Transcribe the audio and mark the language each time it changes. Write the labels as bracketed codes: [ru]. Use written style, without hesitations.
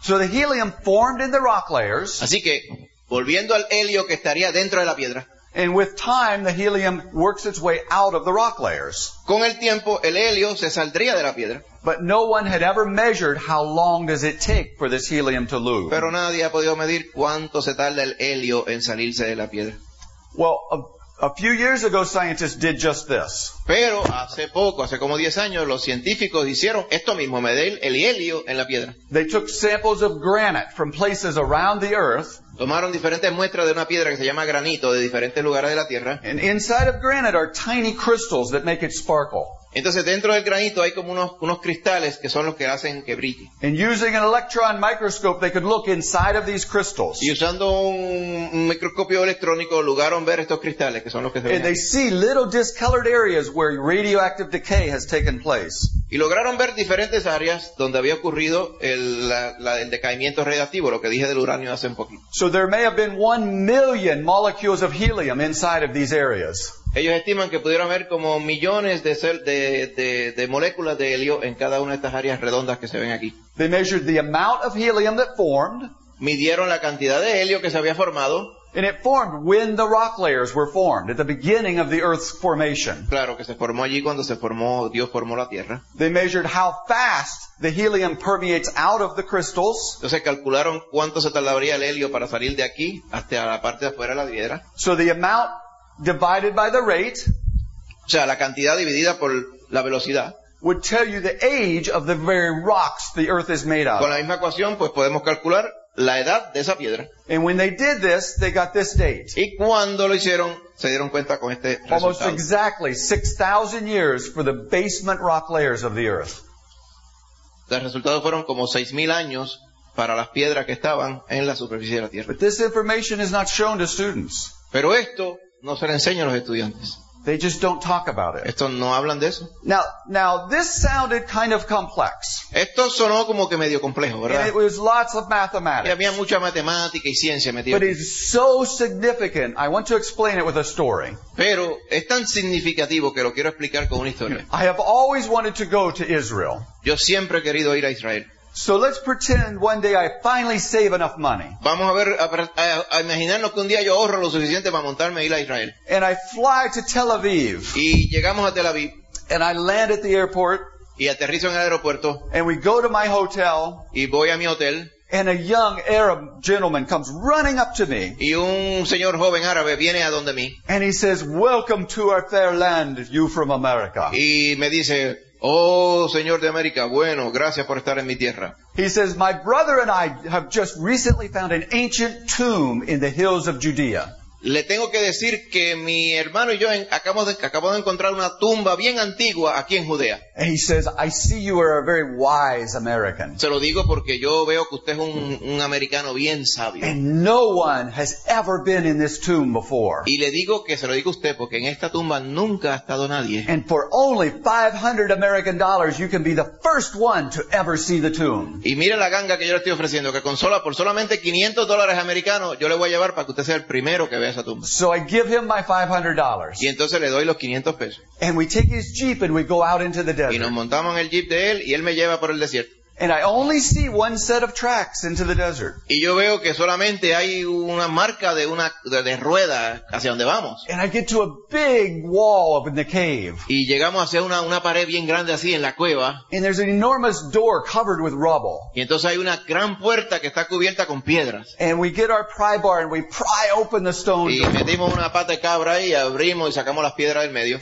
[en] So the helium formed in the rock layers. [es] Así que, volviendo al helio que estaría dentro de la piedra. [en] And with time, the helium works its way out of the rock layers. [es] Con el tiempo, el helio se saldría de la piedra. [en] But no one had ever measured how long does it take for this helium to lose. [es] Pero nadie ha podido medir cuánto se tarda el helio en salirse de la piedra. [en] Well, a few years ago, scientists did just this. [es] Pero hace poco, hace como 10 años, los científicos hicieron esto mismo, medir el helio en la piedra. [en] They took samples of granite from places around the earth. [es] Tomaron diferentes muestras de una piedra que se llama granito de diferentes lugares de la Tierra. [en] And inside of granite are tiny crystals that make it sparkle. [es] Entonces dentro del granito hay como unos cristales que son los que hacen que brille. [en] And using an electron microscope, they could look inside of these crystals. [es] Y usando un microscopio electrónico lograron ver estos cristales que son los que se ven. [en] And they see little discolored areas where radioactive decay has taken place. [es] Y lograron ver diferentes áreas donde había ocurrido el decaimiento radiactivo, lo que dije del uranio hace un poquito. [en] So there may have been 1 million molecules of helium inside of these areas. [es] Ellos estiman que pudieron haber como millones de moléculas de helio en cada una de estas áreas redondas que se ven aquí. [en] They measured the amount of helium that formed. [es] Midieron la cantidad de helio que se había formado. [en] And it formed when the rock layers were formed, at the beginning of the Earth's formation. [es] Claro, que se formó allí cuando se formó, Dios formó la Tierra. [en] They measured how fast the helium permeates out of the crystals. [es] Entonces calcularon cuánto se tardaría el helio para salir de aquí hasta la parte de afuera de la piedra. [en] So the amount divided by the rate, [es] o sea, la cantidad dividida por la velocidad, [en] would tell you the age of the very rocks the Earth is made of. [es] Con la misma ecuación, pues podemos calcular la edad de esa piedra. [en] And when they did this, they got this date. [es] Y cuando lo hicieron, se dieron cuenta con este resultado. [en] Almost exactly 6,000 years for the basement rock layers of the Earth. [es] Los resultados fueron como 6,000 años para las piedras que estaban en la superficie de la Tierra. [en] But this information is not shown to students. [es] Pero esto no se le enseña a los estudiantes. [en] They just don't talk about it. [es] Estos no hablan de eso. [en] Now this sounded kind of complex. [es] Esto sonó como que medio complejo, ¿verdad? [en] And it was lots of mathematics. [es] Y había mucha matemática y ciencia metida. [en] But it's so significant. I want to explain it with a story. [es] Pero es tan significativo que lo quiero explicar con una historia. [en] I have always wanted to go to Israel. [es] Yo siempre he querido ir a Israel. [en] So let's pretend one day I finally save enough money. [es] Vamos a ver, a imaginarnos que un día yo ahorro lo suficiente para montarme y ir a Israel. [en] And I fly to Tel Aviv. [es] Y llegamos a Tel Aviv. [en] And I land at the airport. [es] Y aterrizo en el aeropuerto. [en] And we go to my hotel. [es] Y voy a mi hotel. [en] And a young Arab gentleman comes running up to me. [es] Y un señor joven árabe viene a donde mí. [en] And he says, "Welcome to our fair land, you from America." [es] Y me dice, "Oh, señor de América, bueno, gracias por estar en mi tierra." [en] He says, "My brother and I have just recently found an ancient tomb in the hills of Judea." [es] Le tengo que decir que mi hermano y yo acabamos de encontrar una tumba bien antigua aquí en Judea. [en] And he says, "I see you are a very wise American." [es] Se lo digo porque yo veo que usted es un americano bien sabio. [en] "And no one has ever been in this tomb before." [es] Y le digo que se lo digo a usted porque en esta tumba nunca ha estado nadie. [en] "And for only $500 American, you can be the first one to ever see the tomb." [es] Y mire la ganga que yo le estoy ofreciendo, que con sola por solamente $500 americanos, yo le voy a llevar para que usted sea el primero que esa tumba. [en] So I give him my $500. [es] Y entonces le doy los 500 pesos. [en] And we take his jeep and we go out into the desert. [es] Y nos montamos en el jeep de él y él me lleva por el desierto. [en] And I only see one set of tracks into the desert. [es] Y yo veo que solamente hay una marca de rueda hacia donde vamos. [en] And I get to a big wall up in the cave. [es] Y llegamos hacia una pared bien grande así en la cueva. [en] And there's an enormous door covered with rubble. [es] Y entonces hay una gran puerta que está cubierta con piedras. [en] And we get our pry bar and we pry open the stone [es] door. Y metimos una pata de cabra y abrimos y sacamos las piedras del medio.